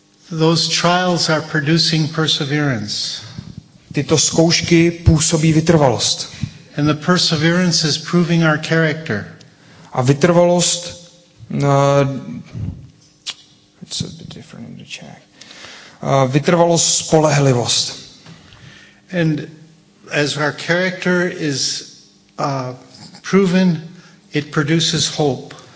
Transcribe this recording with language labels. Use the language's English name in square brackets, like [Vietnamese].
[English] Those trials are producing perseverance. [Czech] Tyto zkoušky působí vytrvalost. [English] And the perseverance is proving our character. [Czech] A vytrvalost [English] it's a bit different in the Czech. [Czech] Vytrvalost, spolehlivost. [English] And as our character is proven, it produces hope.